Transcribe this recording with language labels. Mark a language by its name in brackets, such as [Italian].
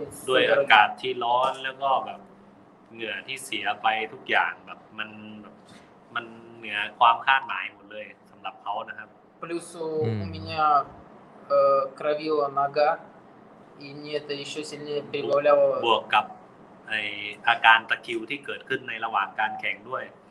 [Thai] ด้วยอากาศที่ร้อนแล้วก็แบบเหงื่อที่เสียไปทุกอย่างแบบมันเหนือความคาดหมายหมดเลยสำหรับเขานะครับ [Russian] plus у меня кровила нога и мне это ещё сильнее прибавляло [Thai] บวกกับ ไออาการตะคริวที่เกิดขึ้นในระหว่างการแข่งด้วย